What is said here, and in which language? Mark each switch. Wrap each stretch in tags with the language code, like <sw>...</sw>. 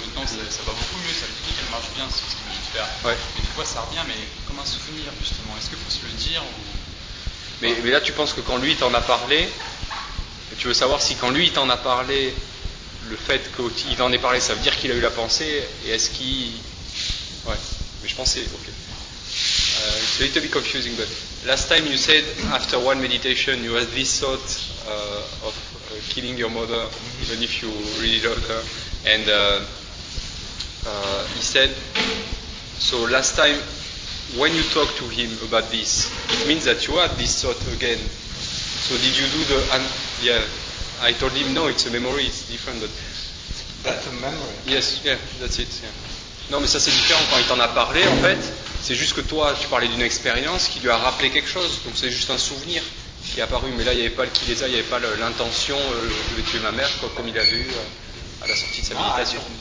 <fr>Maintenant, ça va beaucoup mieux, ça me dit qu'elle marche bien, c'est ce que je veux faire. Ouais. Mais des fois, ça revient, mais comme un souvenir, justement. Est-ce qu'il faut se le dire ou... Mais là, tu penses que quand lui, il t'en a parlé, tu veux savoir si quand lui, il t'en a parlé, le fait qu'il en ait parlé, ça veut dire qu'il a eu la pensée, et est-ce qu'il. Ouais, mais je pensais, ok.</fr> <en>It's a little bit confusing, but last time you said after one meditation you had this thought of killing your mother, even if you really loved her. And he said, so last time when you talked to him about this, it means that you had this thought again. So did you do the. Yeah, I told him, no, it's a memory, it's different. But that's a memory. Yes, yeah, that's it, yeah.</en> <fr>Non, mais ça c'est différent. Quand il t'en a parlé, en fait, c'est juste que toi, tu parlais d'une expérience qui lui a rappelé quelque chose. Donc c'est juste un souvenir qui est apparu. Mais là, il n'y avait pas le kilesa, il n'y avait pas l'intention de tuer ma mère, quoi, comme il avait eu à la sortie de sa méditation.</fr>